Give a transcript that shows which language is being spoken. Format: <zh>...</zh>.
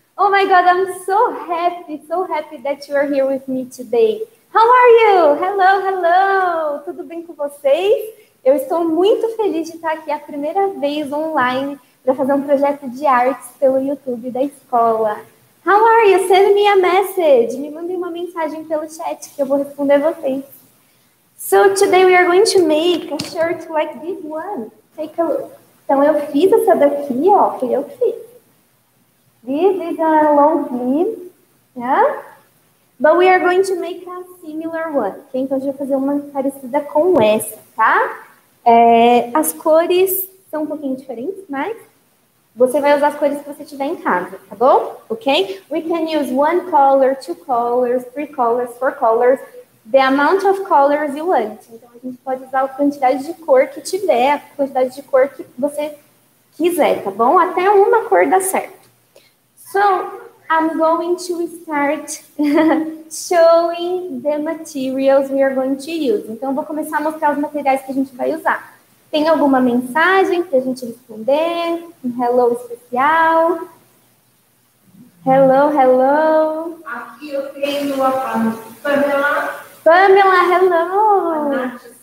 <en>Oh my God, I'm so happy that you are here with me today. How are you? Hello, hello.</en> <pt>Tudo bem com vocês? Eu estou muito feliz de estar aqui a primeira vez online para fazer um projeto de artes pelo YouTube da escola.</pt> <en>How are you? Send me a message.</en> <pt>Me mandem uma mensagem pelo chat que eu vou responder vocês.</pt> <en>So today we are going to make a shirt like this one. Take a look.</en> <pt>Então eu fiz essa daqui, ó. Foi eu que fiz.</pt> <en>This is a long sleeve. Yeah? But we are going to make a similar one. Okay?</en> <pt>Então a gente vai fazer uma parecida com essa, tá? É, as cores são um pouquinho diferentes, mas você vai usar as cores que você tiver em casa, tá bom? Ok?</pt> <en>We can use one color, two colors, three colors, four colors. The amount of colors you want.</en> <pt>Então, a gente pode usar a quantidade de cor que tiver, a quantidade de cor que você quiser, tá bom? Até uma cor dá certo.</pt> <en>So, I'm going to start showing the materials we are going to use.</en> <pt>Então, eu vou começar a mostrar os materiais que a gente vai usar. Tem alguma mensagem para a gente responder? Um hello especial?</pt> <en>Hello, hello.</en> <pt>Aqui eu tenho a Pamela.</pt> <en>Pamela, hello!</en>